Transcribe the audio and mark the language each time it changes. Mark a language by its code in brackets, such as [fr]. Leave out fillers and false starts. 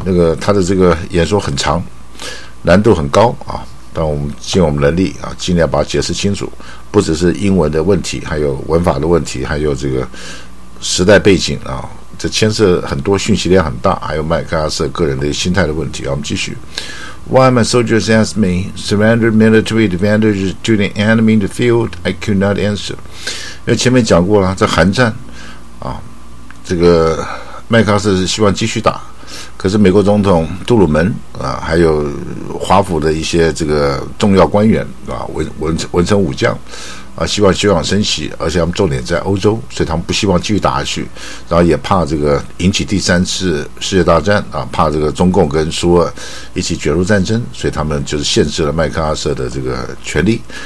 [zh] 那个他的这个演说很长，难度很高啊。但我们尽我们能力啊，尽量把它解释清楚，不只是英文的问题，还有文法的问题，还有这个时代背景啊，这牵涉很多，讯息量很大，还有麦克阿瑟个人的心态的问题啊。我们继续。 [en] Why my soldiers asked me surrender military advantages to the enemy in the field, I could not answer. [zh] 因为前面讲过了，在韩战啊，这个麦克阿瑟是希望继续打。可是美国总统杜鲁门啊，还有华府的一些这个重要官员啊，文臣武将啊，希望休养生息，而且他们重点在欧洲，所以他们不希望继续打下去，然后也怕这个引起第三次世界大战啊，怕这个中共跟苏俄一起卷入战争，所以他们就是限制了麦克阿瑟的这个权力。